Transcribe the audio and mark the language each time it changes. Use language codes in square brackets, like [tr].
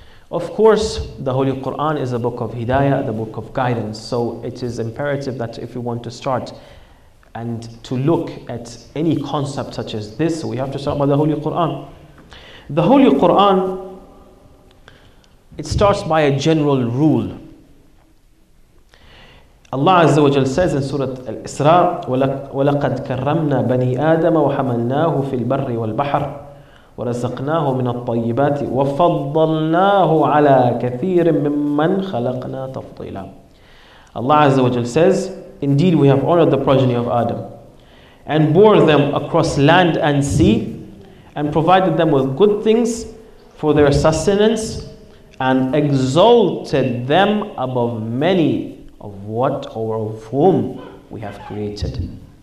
[en] Of course, the Holy Quran is a book of hidayah, the book of guidance. So it is imperative that if we want to start and to look at any concept such as this, we have to start by the Holy Quran. The Holy Quran, it starts by a general rule. Allah Azza wa Jal says in Surah Al-Isra, [ar] وَلَقَدْ كَرَّمْنَا بَنِي آدَمَ وَحَمَلْنَاهُ فِي الْبَرِّ وَالْبَحْرِ وَرَزَقْنَاهُ مِنَ الطَّيِّبَاتِ وَفَضَّلْنَاهُ عَلَىٰ كَثِيرٍ مِّمَّنْ خَلَقْنَا تَفْضِيلًا. [en] Allah Azza wa Jal says, indeed we have honored the progeny of Adam and bore them across land and sea and provided them with good things for their sustenance and exalted them above many of what or of whom we have created.